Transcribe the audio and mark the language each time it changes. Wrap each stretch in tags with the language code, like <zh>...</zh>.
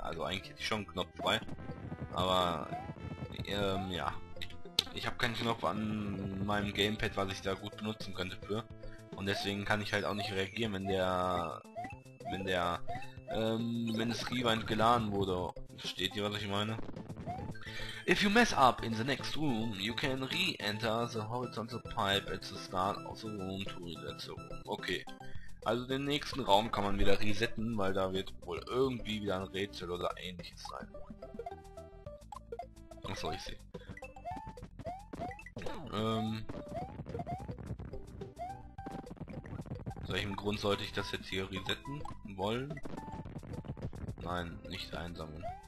<de>Also eigentlich hätte ich schon einen Knopf frei. Aber ja. Ich habe keinen Knopf an meinem Gamepad, was ich da gut benutzen könnte für. Und deswegen kann ich halt auch nicht reagieren, wenn der wenn das Rewind geladen wurde. Versteht ihr, was ich meine?</de> <en>If you mess up in the next room, you can re-enter the horizontal pipe at the start of the room to reset the room. Okay.</en> <de>Also den nächsten Raum kann man wieder resetten, weil da wird wohl irgendwie wieder ein Rätsel oder ähnliches sein. Was soll ich sehen? Aus welchem Grund sollte ich das jetzt hier resetten wollen? Nein, nicht einsammeln.</de>